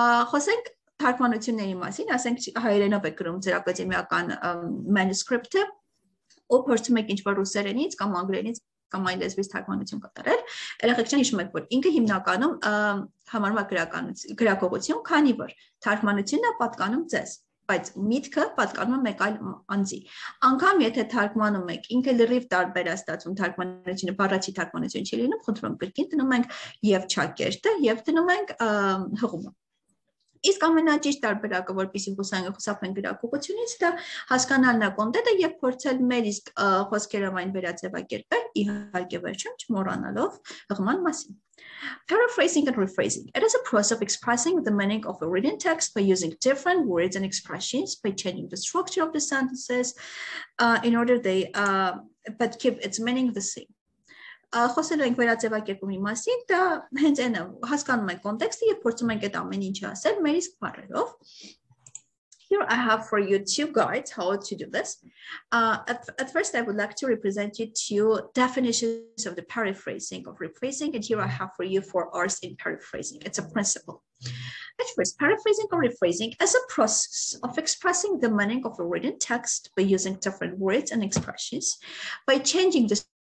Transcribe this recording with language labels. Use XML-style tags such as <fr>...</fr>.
<hy>Խոսենք թարգմանությունների մասին, ասենք հայերենով եք գրում ձեր ակադեմիական մենյուսկրիպտը, ու փորձում եք ինչ-որ ռուսերենից կամ անգլերենից կամ այլ լեզվից թարգմանություն կատարել, երեխեք չեն հիշում եք, որ ինքը հիմնականում համարում է գրակողություն, քանի որ թարգմանությունն է պատկանում ձեզ, բայց միտքը պատկանում է մեկ այլ անձի։ Անգամ եթե թարգմանում եք, ինքը լրիվ տարբեր է ստացվում թարգմանությունը, բառացի թարգմանություն չի լինում, խնդրում գրքին դնում ենք և չակերտը, և դնում ենք հղումը։ Իսկ ամենաճիշտ տարբերակը, որպեսզի խուսափենք գրակողությունից, դա հասկանալն է կոնտենտը եւ փորձել մեր իսկ խոսքերով այն վերաձևակերպել, իհարկե վերջում չմոռանալով հղման մասին։</hy> <en>Paraphrasing and rephrasing. It is a process of expressing the meaning of a written text by using different words and expressions, by changing the structure of the sentences in order they but keep its meaning the same.</en> <hy>Խոսելու ենք վերաձևակերպումի մասին, դա հենց այն է, հասկանում ենք կոնտեքստը եւ փորձում ենք այդ ամեն ինչը ասել մեր իսկ բառերով։</hy> <en>Here I have for you two guides how to do this. At first I would like to represent you two definitions of the paraphrasing of rephrasing, and here I have for you 4 R's in paraphrasing. It's a principle. At first, paraphrasing or rephrasing is a process of expressing the meaning of a written text by using different words and expressions, by changing the</en>